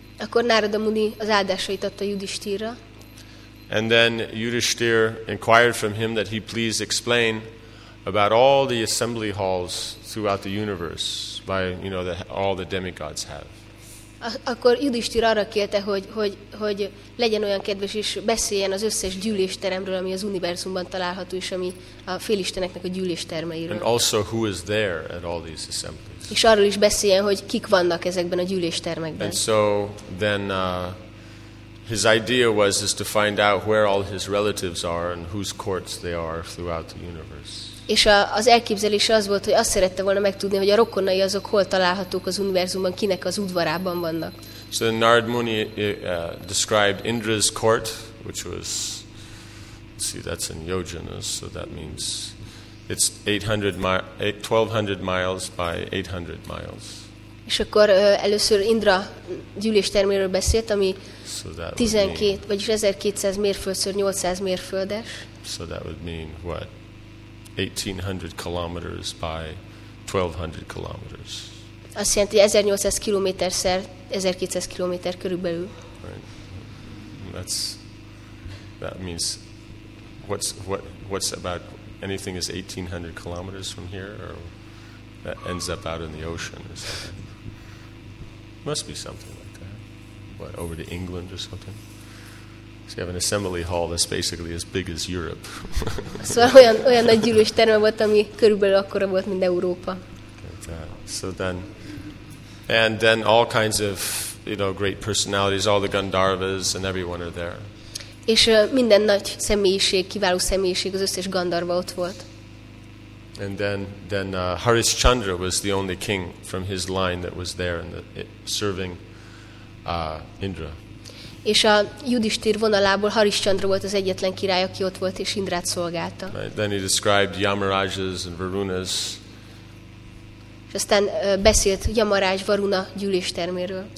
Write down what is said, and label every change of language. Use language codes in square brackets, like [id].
[hu] Akkor Narada Muni az áldásait adta Yudhishthirra. [en] And then Yudhishthir inquired from him that he please explain about all the assembly halls throughout the universe by, you know, that all the demigods have. [hu] Akkor Yudhishthir arra kérte, hogy legyen olyan kedves és beszéljen az összes gyűlésteremről, ami az univerzumban található és ami a félisteneknek a gyűléstermeiről. [en] And also who is there at all these assemblies. [hu] És arról is beszéljen, hogy kik vannak ezekben a gyűléstermekben. [en] And so then his idea was is to find out where all his relatives are and whose courts they are throughout the universe. [hu] És az elképzelése az volt, hogy azt szerette volna megtudni, hogy a rokonai azok hol találhatók az univerzumban, kinek az udvarában vannak. [en] So Narad Muni described Indra's court, which was, see, that's in Yojanas, so that means it's 1200 miles by 800 miles. [hu] És akkor először Indra gyűlésterméről beszélt, ami 12, vagyis 1200 mérföldször 800 mérföldes. [en] So that would mean what? 1800 kilometers by 1200 kilometers. [hu] Azt jelenti, 1800 kilométer szer 1200 kilométer körülbelül. [en] Right. That means what's about anything is 1800 kilometers from here or that ends up out in the ocean or something. Must be something like that. What, over to England or something? So you have an assembly hall that's basically as big as Europe. [hu] Szóval olyan nagy gyűlésterme volt, ami körülbelül akkora volt, mint Európa. [en] So then all kinds of, you know, great personalities, all the Gandharvas and everyone are there. [hu] És minden nagy személyiség, kiváló személyiség, az összes Gandharva ott volt. [en] And then Harishchandra was the only king from his line that was there and serving Indra. [hu] És a Yudhishthir vonalából Harishchandra volt az egyetlen király, aki ott volt és Indrát szolgálta. [en] Right. Then he described Yamarajas and Varunas. [hu] És aztán beszélt Yamaraj Varuna gyűlésterméről.